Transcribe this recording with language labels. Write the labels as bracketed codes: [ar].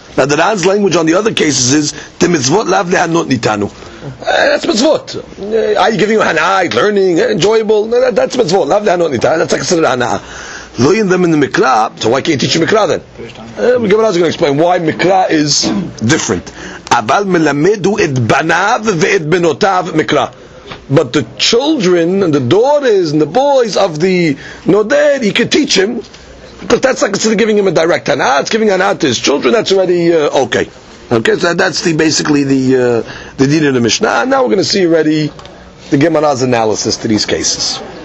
[en] Now the Ran's language on the other cases is the [he] mitzvot lav lehanot nitanu. [en] That's mitzvot. Are you giving him hana'ah, learning, enjoyable? That's mitzvot lav lehanot nitanu. That's considered hana'ah. [he] Lo yilamedenu mikra, [en] so why can't he teach you mikra then? Gemara is going to explain why mikra is different. [he] אבל מלמדו את בניו ואת בנותיו מקרא. [en] But the children and the daughters and the boys of the Noded, he could teach him, but that's not considered giving him a direct hana, it's giving hana to his children, that's already okay. Okay, so that's the basically the deed of the Mishnah. Now we're going to see already the Gemara's analysis to these cases.